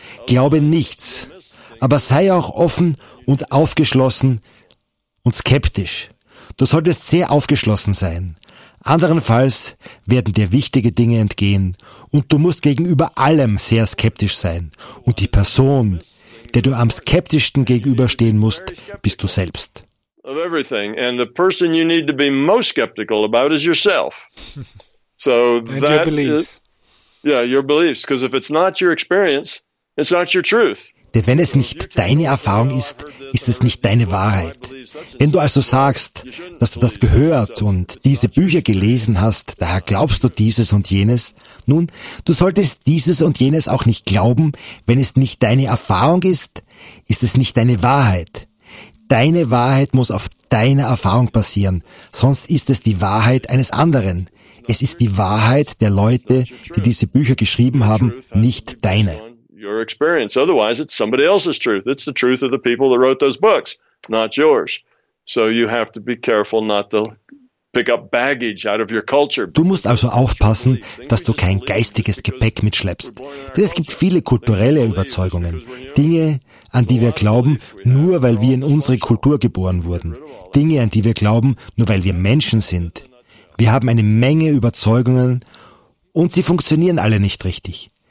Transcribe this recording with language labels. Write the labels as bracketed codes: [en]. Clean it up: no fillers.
[de] Glaube nichts, aber sei auch offen und aufgeschlossen und skeptisch. Du solltest sehr aufgeschlossen sein. Anderenfalls werden dir wichtige Dinge entgehen und du musst gegenüber allem sehr skeptisch sein. Und die Person, der du am skeptischsten gegenüberstehen musst, bist du selbst. [en] Of everything. And the person you need to be most skeptical about is yourself. So that your beliefs. Your beliefs. Because if it's not your experience, it's not your truth. [de] Denn wenn es nicht deine Erfahrung ist, ist es nicht deine Wahrheit. Wenn du also sagst, dass du das gehört und diese Bücher gelesen hast, daher glaubst du dieses und jenes. Nun, du solltest dieses und jenes auch nicht glauben, wenn es nicht deine Erfahrung ist, ist es nicht deine Wahrheit. Deine Wahrheit muss auf deiner Erfahrung basieren, sonst ist es die Wahrheit eines anderen. Es ist die Wahrheit der Leute, die diese Bücher geschrieben haben, nicht deine. [en] Your experience. Otherwise, it's somebody else's truth. It's the truth of the people that wrote those books, not yours. So you have to be careful not to pick up baggage out of your culture. [de] Du musst also aufpassen, dass du kein geistiges Gepäck mitschleppst. Denn es gibt viele kulturelle Überzeugungen, Dinge, an die wir glauben, nur weil wir in unsere Kultur geboren wurden. Dinge, an die wir glauben, nur weil wir Menschen sind. Wir haben eine Menge Überzeugungen und sie funktionieren alle nicht richtig.